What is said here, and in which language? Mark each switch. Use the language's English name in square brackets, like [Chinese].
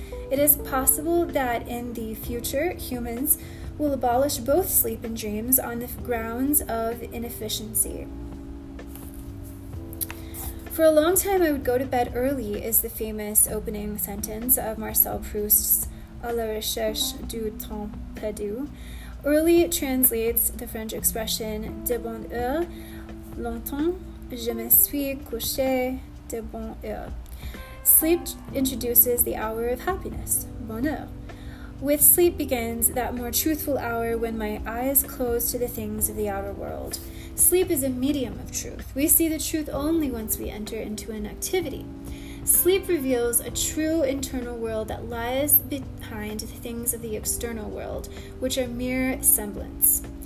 [English] It is possible that in the future, humans will abolish both sleep and dreams on the grounds of inefficiency. For a long time, I would go to bed early, is the famous opening sentence of Marcel Proust's A la recherche du temps perdu. Early translates the French expression [French] de bonne heure, longtemps je me suis couché de bonne heure. [English] Sleep introduces the hour of happiness, bonheur. With sleep begins that more truthful hour when my eyes close to the things of the outer world. Sleep is a medium of truth. We see the truth only once we enter into an activity. Sleep reveals a true internal world that lies behind the things of the external world, which are mere semblance.